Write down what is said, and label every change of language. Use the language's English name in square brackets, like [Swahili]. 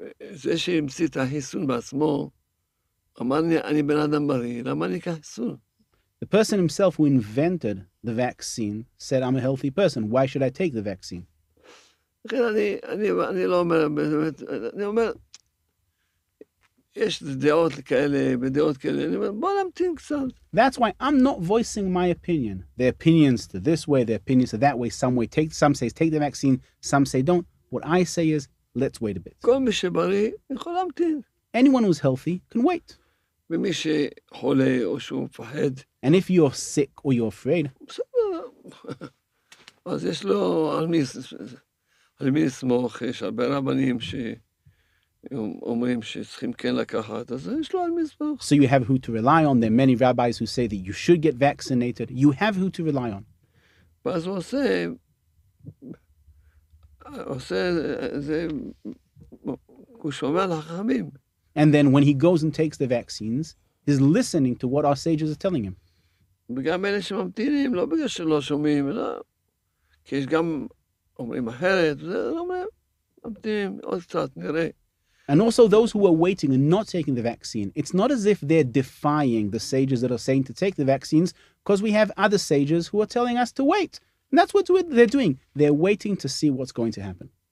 [Hebrew] זה שהמציא את החיסון בעצמו, אמר לי, אני בן אדם בריא, למה אני אקח חיסון? [English] The person himself who invented the vaccine said, I'm a healthy person, why should I take the vaccine? [Hebrew] לכן אני לא אומר, באמת, אני אומר, יש דעות כאלה, בדעות כאלה, אני אומר, בוא נמתין קצת. [English] That's why I'm not voicing my opinion. Their opinions to this way, their opinions to that way, some way take, some say take the vaccine, some say don't. What I say is, let's wait a bit. [Hebrew] כל מי שבריא יכול להמתין. [English] Anyone who's healthy can wait. [Hebrew] ומי שחולה או שהוא מפחד. [English] And if you're sick or you're afraid. [Hebrew] אז יש לו על מי לסמוך, יש הרבה רבנים שאומרים שצריכים כן לקחת, אז יש לו על מי לסמוך. [English] So you have who to rely on. There are many rabbis who say that you should get vaccinated. You have who to rely on. [Hebrew] ואז הוא עושה זה, הוא שומע לחכמים. [English] And then when he goes and takes the vaccines, he's listening to what our sages are telling him. [Hebrew] וגם אלה שממתינים, לא בגלל שלא שומעים, אלא כי יש גם אומרים אחרת, וזה לא אומרים, ממתינים עוד קצת, נראה. [English] And also those who are waiting and not taking the vaccine, it's not as if they're defying the sages that are saying to take the vaccines, because we have other sages who are telling us to wait. And that's what they're doing. They're waiting to see what's going to happen.